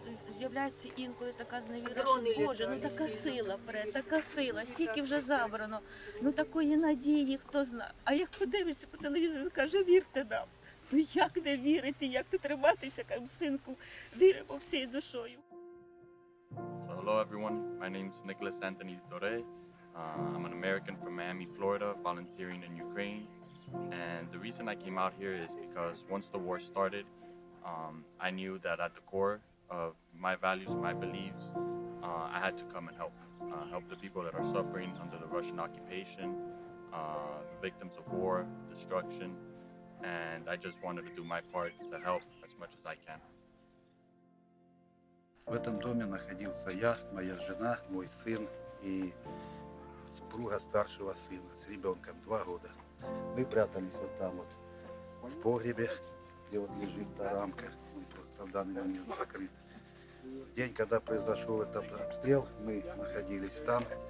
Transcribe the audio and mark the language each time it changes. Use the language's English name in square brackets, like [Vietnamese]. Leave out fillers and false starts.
[Ukrainian] З'являється інколи така зневіра, що, Боже, ну така сила, така сила, стільки вже забрано, ну такої надії, хто знає. А як подивишся по телевізору, він каже: «Вірте нам». Ну як не вірити, як ти триматися, як синку, віримо всією душою. [English] So, hello everyone, my name is Nicholas Anthony Dore. I'm an American from Miami, Florida, volunteering in Ukraine. And the reason I came out here is because once the war started, I knew that at the core of my values, my beliefs, I had to come and help the people that are suffering under the Russian occupation, the victims of war, destruction, and I just wanted to do my part to help as much as I can. [Russian] В этом доме находился я, моя жена, мой сын и супруга старшего сына с ребенком 2 года. Мы прятались вот там вот в погребе, где вот лежит та рамка. В данный момент закрыт. В день, когда произошел этот обстрел, мы находились там.